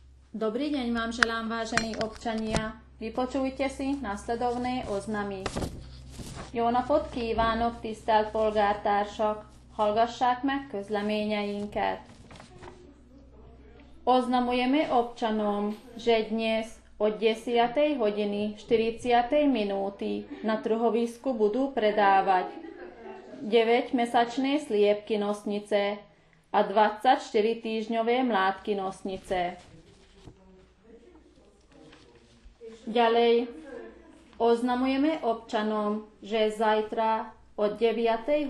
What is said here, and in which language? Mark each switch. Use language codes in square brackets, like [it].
[sk] Dobrý deň vám želám, vážení občania. Vypočujte si nasledovné oznamy. [hu] Jónapotky kívánok, tisztelt polgártársak! Hallgassák meg közleményeinket! [sk] Oznamujeme občanom, že dnes od 10. hodiny 40. minúty na trhovisku budú predávať 9-mesačné sliepky nosnice a 24-týždňové mládky nosnice. Ďalej, oznamujeme občanom, že zajtra od 9.